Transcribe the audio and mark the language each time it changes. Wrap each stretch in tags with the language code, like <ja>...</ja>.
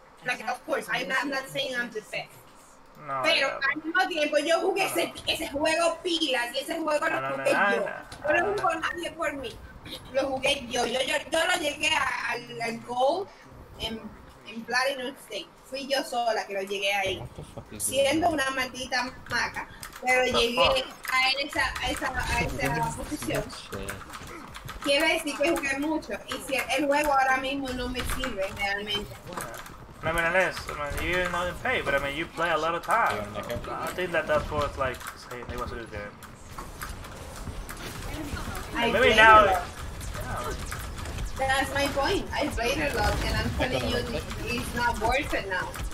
<en>Like, of course, I'm not saying I'm the best.</en> <es>No, pero al mismo tiempo, yo jugué ese juego pilas, y ese juego lo jugué yo. No lo jugó nadie por mí. Lo jugué yo. Yo lo llegué al gold en Platinum State. Fui yo sola que lo llegué ahí, siendo una maldita maca, pero llegué a esa posición. Quiere decir que jugué mucho, y si el juego ahora mismo no me sirve realmente.</es> <en>I mean, you're not in pay, but I mean, you play a lot of time. I think that's what, like, it was a good game. Maybe now... That's my point. I played a lot, and I'm telling you, it's not worth it now.</en>